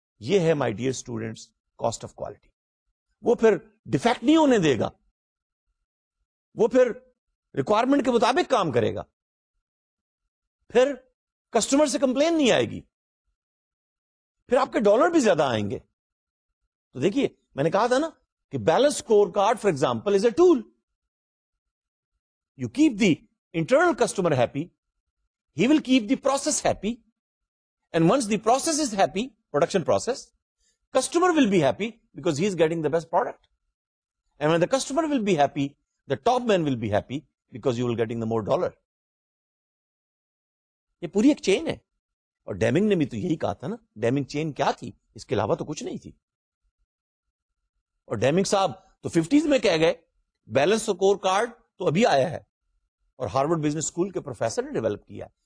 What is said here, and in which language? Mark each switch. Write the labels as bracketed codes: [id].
[ur] یہ ہے [en] my dear students [ur] cost of quality. وہ پھر ڈیفیکٹ نہیں ہونے دے گا, وہ پھر ریکوائرمنٹ کے مطابق کام کرے گا, پھر کسٹمر سے کمپلین نہیں آئے گی, پھر آپ کے ڈالر بھی زیادہ آئیں گے. تو دیکھیے میں نے کہا تھا نا کہ [en] Balance score card for example is a tool. You keep the internal customer happy, he will keep the process happy, and once the process is happy, production process, customer will be happy because he is getting the best product, and when the customer will be happy the top man will be happy because you will getting the more dollar. [ur] یہ پوری ایک چین ہے, اور Deming نے بھی تو یہی کہا تھا نا. ڈیمنگ چین کیا تھی, اس کے علاوہ تو کچھ نہیں تھی. اور ڈیمنگ صاحب تو 50s میں کہہ گئے, بیلنس سکور کارڈ تو ابھی آیا ہے اور ہارورڈ بزنس اسکول کے پروفیسر نے ڈیولپ کیا ہے.